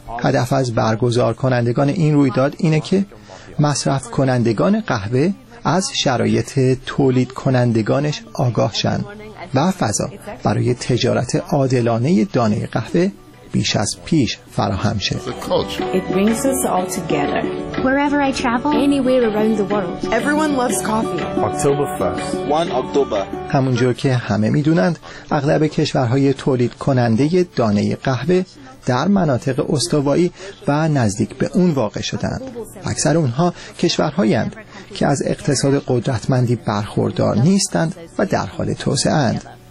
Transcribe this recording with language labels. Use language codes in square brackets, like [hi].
[fa] هدف از برگزار کنندگان این رویداد اینه که مصرف کنندگان قهوه از شرایط تولید کنندگانش آگاه شن و فضا برای تجارت عادلانه دانه قهوه بیش از پیش فراهم شه. [en] It brings us all together. Wherever I travel, anywhere around the world, everyone loves coffee. October 1st. 1 October. [fa] همونجور که همه میدونند اغلب کشورهای تولید کننده دانه قهوه در مناطق استوایی و نزدیک به اون واقع شدند. اکثر اونها کشورهایی هستند که از اقتصاد قدرتمندی برخوردار نیستند و در حال توسعه اند.